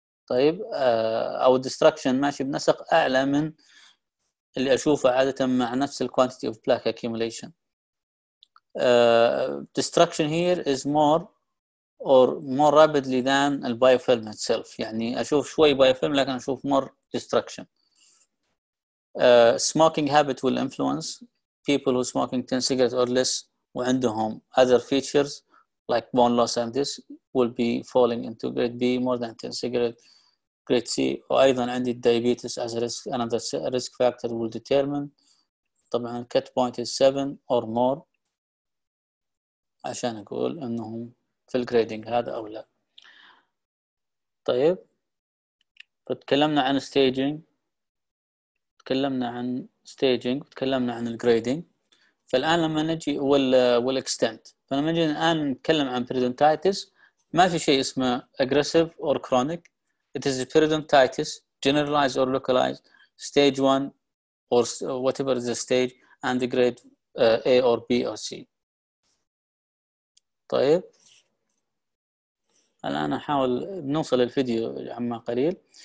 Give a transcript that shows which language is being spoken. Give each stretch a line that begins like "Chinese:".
Arabic: طيب أو destruction ماشي بنسق أعلى من اللي أشوفه عادة مع نفس
English: quantity of black accumulation. Destruction here is more rapidly than the biofilm itself.
Arabic: يعني أشوف شوي
English: biofilm
Arabic: لكن أشوف
English: more destruction. Smoking habit will influence people who smoking 10 cigarettes or less وعندهم other features like bone loss and this will be falling into grade B more than 10 cigarettes grade C. وأيضا عندي diabetes as a risk another risk factor will determine.
Arabic: طبعا
English: cut point is 7 or more
Arabic: عشان أقول أنهم في الجريدينج هذا أو لا. طيب تكلمنا عن ستيجينج، تكلمنا عن الجريدينج. فالآن لما نجي والإكستنت، فلما نجي الآن نتكلم عن periodontitis، ما في شيء اسمه
English: aggressive or chronic. It is periodontitis generalized or localized stage 1 or whatever is the stage and the grade A or B or C.
Arabic: طيب الآن أحاول نوصل الفيديو عما قليل.